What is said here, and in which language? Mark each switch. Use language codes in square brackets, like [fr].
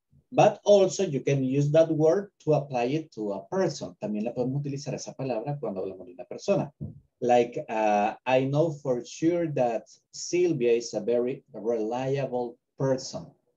[en] But also you can use that word to apply it to a person. [es] También la podemos utilizar esa palabra cuando hablamos de una persona. [en] Like, I know for sure that Silvia is a very reliable person.